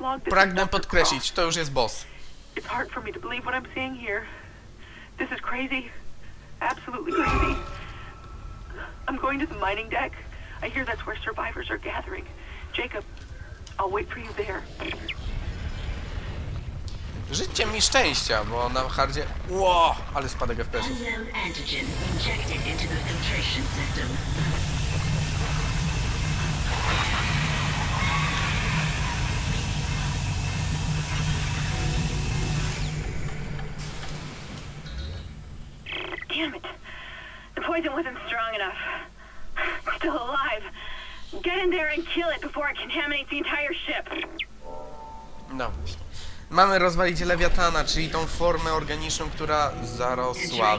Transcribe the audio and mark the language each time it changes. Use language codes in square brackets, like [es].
[pl] Pragnę podkreślić, to już jest boss. [en] It's hard for me to believe what I'm seeing here. This is crazy. Absolutely crazy. I'm going to the mining deck. I hear that's where survivors are gathering. Jacob, I'll wait for you there. [pl] Życzę mi szczęścia, bo na hardzie... Ło, ale spadek FPS. [en] Unknown antigen injected into the filtration system. Poison wasn't strong enough. Still alive. Get in there and kill it before it contaminates the entire ship. [pl] No. Mamy rozwalić Lewiatana, czyli tą formę organiczną, która zarosła.